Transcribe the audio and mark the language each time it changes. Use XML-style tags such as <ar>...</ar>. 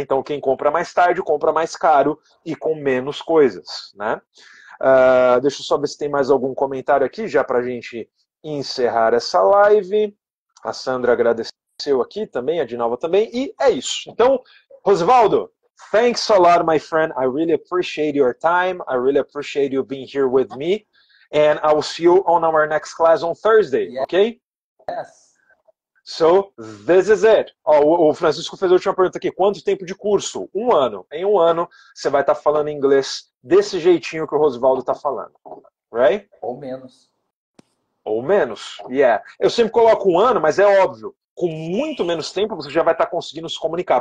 <pt>Então, quem compra mais tarde, compra mais caro e com menos coisas, né? Deixa eu só ver se tem mais algum comentário aqui, já para a gente encerrar essa live. A Sandra agradeceu aqui também, a Dinalva também, e é isso.</pt> <en>Então, Rosvaldo, thanks a lot, my friend. I really appreciate your time. I really appreciate you being here with me. And I will see you on our next class on Thursday, yeah. Okay? Yes. So, this is it.</en> <pt>Oh, o Francisco fez a última pergunta aqui. Quanto tempo de curso? Um ano. Em um ano, você vai estar falando inglês desse jeitinho que o Rosvaldo está falando.</pt> <en>Right?</en> <pt>Ou menos. Ou menos, yeah. Eu sempre coloco um ano, mas é óbvio. Com muito menos tempo, você já vai estar conseguindo se comunicar.</pt>